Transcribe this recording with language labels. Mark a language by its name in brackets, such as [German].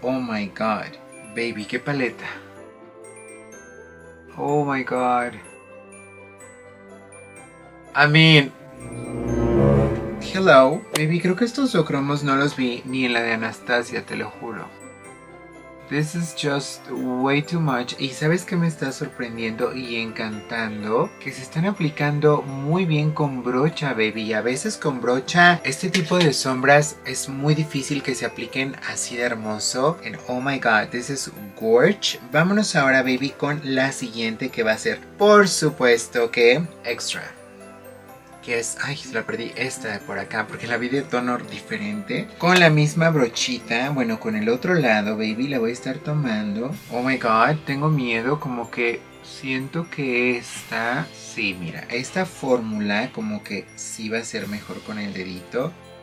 [English] Oh my god, baby, [Spanish] qué paleta. [English] Oh my god. I mean, hello, baby, [Spanish] creo que estos ocromos no los vi ni en la de Anastasia, te lo juro. [English] This is just way too much. [Spanish] Y sabes que me está sorprendiendo y encantando que se están aplicando muy bien con brocha, baby. Y a veces con brocha, este tipo de sombras es muy difícil que se apliquen así de hermoso. [English] And oh my god, this is gorge. [Spanish] Vámonos ahora, baby, con la siguiente que va a ser, por supuesto, que extra. Que es, ay, la perdí, esta de por acá, porque la vi de tono diferente. Con la misma brochita, bueno, con el otro lado, baby, la voy a estar tomando. [English] Oh my god, [Spanish] tengo miedo, como que siento que esta, sí, mira, esta fórmula como que sí va a ser mejor con el dedito.